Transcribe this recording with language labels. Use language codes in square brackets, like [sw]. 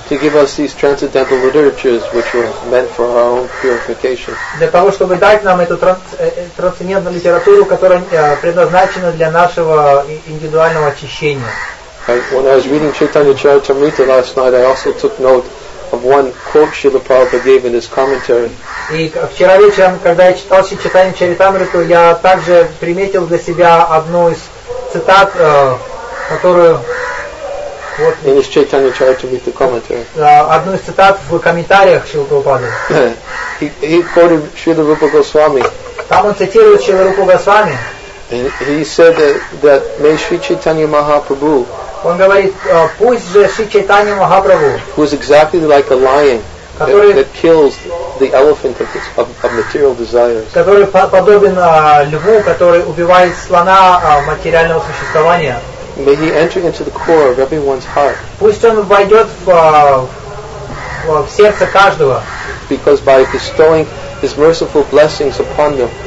[en] To give us these transcendental literatures, which were meant for our own purification. [ru] Для того, чтобы дать нам эту трансцендентную литературу, которая предназначена для нашего индивидуального очищения. [en] When I was reading Chaitanya Charitamrita last night, I also took note of one quote Srila Prabhupada gave in his commentary. [ru] И вчера вечером, когда я читал Шри Чайтанья Чаритамриту, я также приметил для себя одну из цитат, которую [en] вот in his Chaitanya Charitamrita commentary. [ru] Одну из цитат в комментариях Шрилы Прабхупады. [en] He quoted Srila Rupa Goswami. [ru] Там он цитирует Шрилу Рупу Госвами. [en] He said that may Sri Chaitanya Mahaprabhu. [ru] Он говорит, пусть же Шри Чайтанья Махапрабху, [en] who is exactly like a lion, that kills the elephant of material desires, [ru] который подобен льву, который убивает слона материального существования. [en] May he enter into the core of everyone's heart. [ru] Пусть он войдет в сердце каждого. [en] Because by bestowing his merciful blessings upon them.